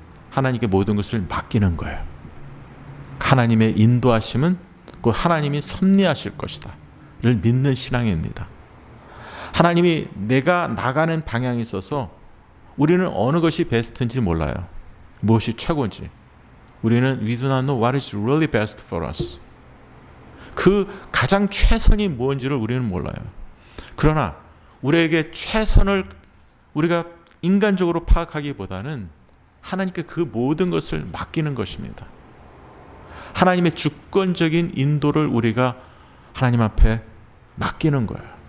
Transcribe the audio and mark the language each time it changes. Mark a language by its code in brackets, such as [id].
[ko] 하나님께 모든 것을 맡기는 거예요. 하나님의 인도하심은 그 하나님이 섭리하실 것이다 를 믿는 신앙입니다. 하나님이 내가 나가는 방향에 있어서 우리는 어느 것이 베스트인지 몰라요. 무엇이 최고인지. 우리는 [en] we do not know what is really best for us. [ko] 그 가장 최선이 무엇인지를 우리는 몰라요. 그러나 우리에게 최선을 우리가 인간적으로 파악하기보다는 하나님께 그 모든 것을 맡기는 것입니다. 하나님의 주권적인 인도를 우리가 하나님 앞에 맡기는 거예요.